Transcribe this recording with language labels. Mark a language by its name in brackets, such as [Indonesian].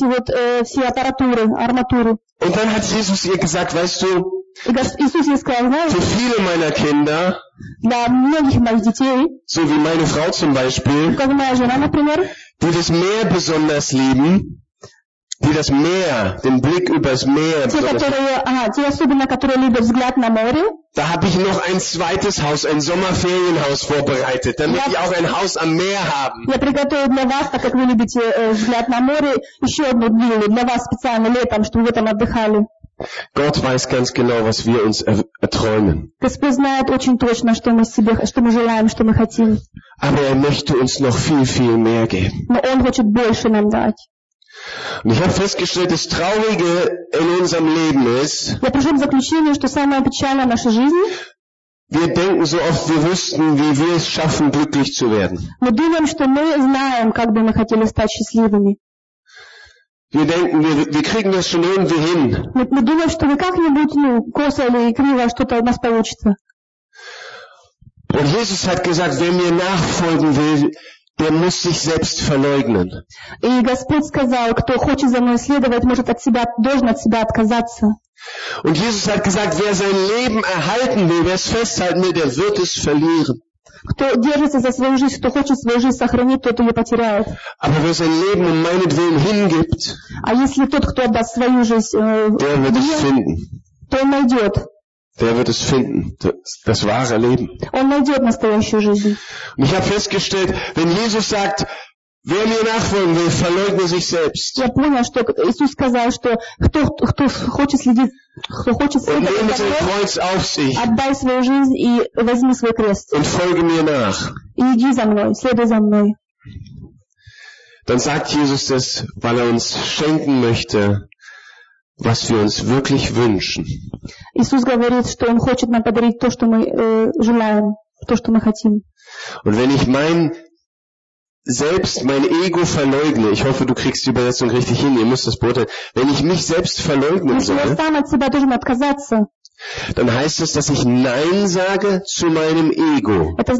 [German] Und dann hat Jesus ihr gesagt, weißt du, für viele meiner Kinder, [Russian] для многих моих детей, [German] so wie meine Frau zum Beispiel, [Russian] как моя жена, например, [German] die das Meer besonders lieben, die das Meer, den Blick übers Meer, [Russian] те, особенно, которые любят взгляд на море, [German] da habe ich noch ein zweites Haus, ein Sommerferienhaus vorbereitet, damit die auch ein Haus am Meer haben. [Russian] Я приготовил для вас, так как вы любите взгляд на море, еще одну виллу для вас специально летом, чтобы вы там отдыхали. [German] Gott weiß ganz genau, was wir uns erträumen. [Russian] Господь знает очень точно, что мы себе, что мы желаем, что мы хотим. [German] Aber er möchte uns noch viel, viel mehr geben. [Russian] Но он хочет больше нам дать. [German] Und ich habe festgestellt, das Traurige in unserem Leben ist. [Russian] Я пришел к заключению, что самое печальное в нашей жизни. [German] Wir denken so oft, wir wüssten, wie wir es schaffen, glücklich zu werden. [Russian] Мы думаем, что мы знаем, как бы мы хотели стать счастливыми. [German] Wir denken, wir kriegen das schon irgendwie hin. [Russian] Мы думаем, что мы как-нибудь, ну, косо или криво что-то у нас получится. [German] Und Jesus hat gesagt, wer mir nachfolgen will, der muss sich selbst verleugnen. [Russian] И Господь сказал, кто хочет за мной следовать, может от себя, должен от себя отказаться. [German] Und Jesus hat gesagt, wer sein Leben erhalten will, wer es festhalten will, der wird es verlieren. [Russian] Кто держится за свою жизнь, кто хочет свою жизнь сохранить, тот ее потеряет. [German] Aber wer sein Leben um meinetwillen hingibt, [Russian] а если тот, кто отдаст свою жизнь, [German] der wird es finden. [Russian] То он найдет. [German] Der wird es finden, das wahre Leben. [Russian] Он найдет настоящую жизнь. [German] Und ich habe festgestellt, wenn Jesus sagt, wer mir nachfolgen will, verleugne sich selbst. [Russian] Я понял, что Иисус сказал, что кто хочет следить, кто хочет следовать, отдай свою жизнь и возьми свой крест. [German] Und folge mir nach. [Russian] И иди за мной, следуй за мной. [German] Dann sagt Jesus das, weil er uns schenken möchte, was wir uns wirklich wünschen. [Russian] Иисус говорит, что он хочет нам подарить то, что мы желаем, то, что мы хотим. [German] Und wenn ich mein selbst mein Ego verleugne, ich hoffe, du kriegst die Übersetzung richtig hin, ihr müsst das beurteilen, wenn ich mich selbst verleugnen soll, dann heißt es, dass ich Nein sage zu meinem Ego.